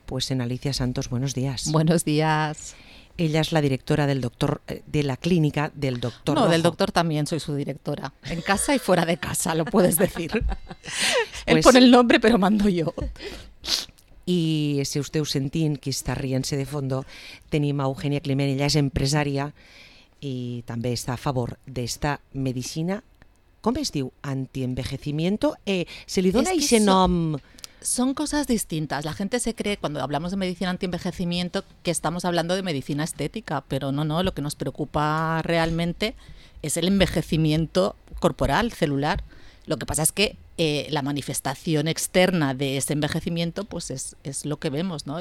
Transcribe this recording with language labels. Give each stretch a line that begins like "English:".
Spanish: Pues en Alicia Santos, buenos días. Buenos días. Ella es la directora del doctor, de la clínica del doctor No, Rojo. Del doctor también soy su directora. En casa y fuera de casa, lo puedes decir. Pues, él pone el nombre, pero mando yo.
Catalan: I si esteu sentint que està rient-se de fondo, tenim a Eugenia Climent, ella és empresària i també està a favor d'esta medicina, com es diu, antienvejecimiento? Se li dona ese nom...
Spanish: Son cosas distintas. La gente se cree, cuando hablamos de medicina antienvejecimiento, que estamos hablando de medicina estética, pero no, no, lo que nos preocupa realmente es el envejecimiento corporal, celular. Lo que pasa es que la manifestación externa de ese envejecimiento pues es lo que vemos, ¿no?